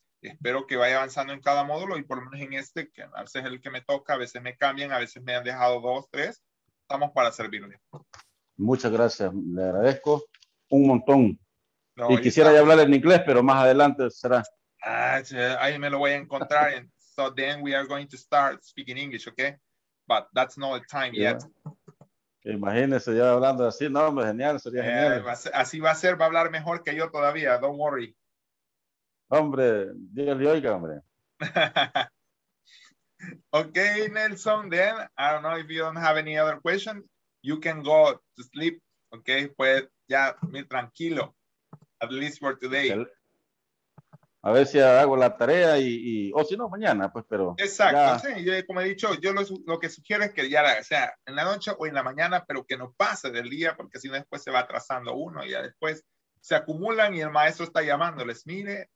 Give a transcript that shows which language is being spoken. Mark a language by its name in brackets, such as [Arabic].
[Spanish] espero que vaya avanzando en cada módulo y por lo menos en este, que a veces es el que me toca, a veces me cambian, a veces me han dejado dos, tres. Estamos para servirle. Muchas gracias, le agradezco un montón. No, y quisiera ya hablar en inglés, pero más adelante será. Ahí me lo voy a encontrar. [English] And so then we are going to start speaking English, okay? But that's not the time yet. [Spanish] Imagínese ya hablando así, no, hombre, genial, sería genial. Así va a ser, va a hablar mejor que yo todavía, [English] don't worry. [Spanish] Hombre, dígale, oiga, hombre. [English] Okay, Nelson, then, I don't know if you don't have any other question, you can go to sleep, okay? [Spanish] Pues ya, muy tranquilo, [English] at least for today. [Spanish] A ver si hago la tarea y o si no, mañana, pues, pero... Exacto, ya. Sí, como he dicho, yo lo que sugiero es que ya sea en la noche o en la mañana, pero que no pase del día, porque si no después se va atrasando uno y ya después se acumulan y el maestro está llamándoles, mire,